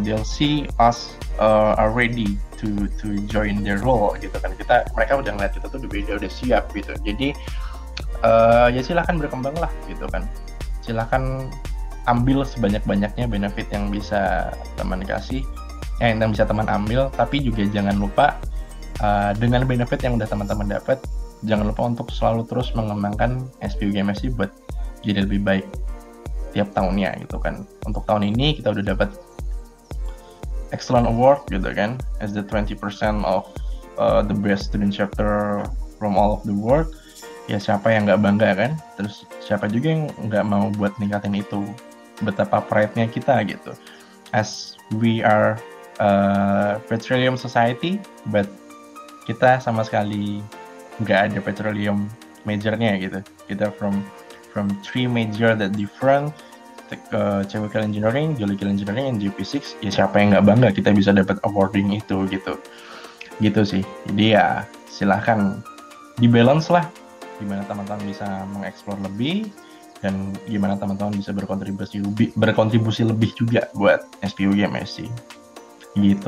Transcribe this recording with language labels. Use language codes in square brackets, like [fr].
[en] They'll see us already to join their role [id] gitu kan. Mereka udah ngeliat kita tuh udah siap gitu. Jadi ya silakan berkembang lah gitu kan. Silakan ambil sebanyak-banyaknya benefit yang bisa teman kasih, yang bisa teman ambil. Tapi juga jangan lupa dengan benefit yang udah teman-teman dapat, jangan lupa untuk selalu terus mengembangkan SPU GMSC buat jadi lebih baik tiap tahunnya gitu kan. Untuk tahun ini kita udah dapat excellent award gitu kan, [en] as the 20% of the best student chapter from all of the world. [id] Ya siapa yang nggak bangga kan? Terus siapa juga yang nggak mau buat ningkatin itu? Betapa pride-nya kita gitu. [en] As we are petroleum society, [id] but kita sama sekali nggak ada petroleum major-nya gitu. Kita [en] from three major that different, chemical engineering, geological engineering, and geophysics. [id] Ya siapa yang nggak bangga kita bisa dapat awarding itu gitu. Gitu sih. Jadi ya silahkan dibalance lah. Gimana teman-teman bisa mengeksplor lebih dan gimana teman-teman bisa berkontribusi lebih juga buat SPU GMSC gitu.